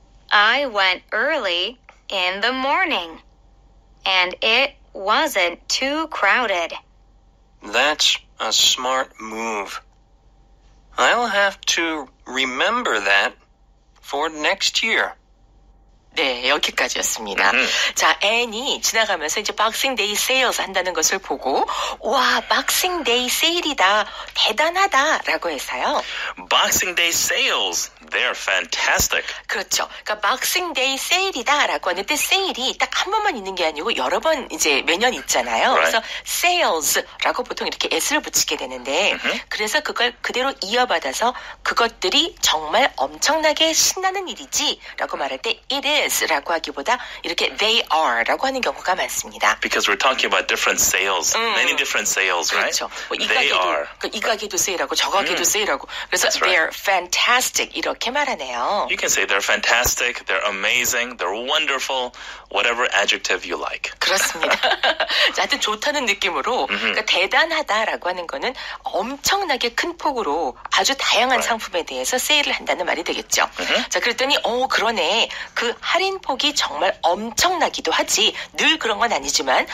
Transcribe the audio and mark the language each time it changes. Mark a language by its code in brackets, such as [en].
[en] I went early in the morning, and it wasn't too crowded. That's a smart move. I'll have to remember that for next year. [ko] 네, 여기까지였습니다. Mm-hmm. 자, 앤이 지나가면서 이제 박싱 데이 세일즈 한다는 것을 보고 와, 박싱 데이 세일이다. 대단하다라고 했어요. [en] Boxing Day sales. They're fantastic. [ko] 그렇죠. 그러니까 박싱 데이 세일이다라고 하는 데 세일이 딱 한 번만 있는 게 아니고 여러 번 이제 매년 있잖아요. [en] Right. [ko] 그래서 sales라고 보통 이렇게 s를 붙이게 되는데 [en] mm-hmm. [ko] 그래서 그걸 그대로 이어받아서 그것들이 정말 엄청나게 신나는 일이지라고 말할 때 it is라고 하기보다 이렇게 they are라고 하는 경우가 많습니다. [en] Because we're talking about different sales. Many different sales, [ko] 그렇죠. [en] right? [ko] 뭐 이 [en] they [ko] 가게도, are. 그 이 가게도 세일하고 저 가게도 세일하고 그래서 [en] That's they're right. fantastic [ko] 이렇게 말하네요. [en] You can say they're fantastic, they're amazing, they're wonderful, whatever adjective you like. [ko] 그렇습니다. 하여튼 좋다는 느낌으로 그러니까 대단하다라고 하는 거는 엄청나게 큰 폭으로 아주 다양한 [en] right. [ko] 상품에 대해서 세일을 한다는 말이 되겠죠. 자, 그랬더니 오, 그러네. 그 할인폭이 정말 엄청나기도 하지. 늘 그런 건 아니지만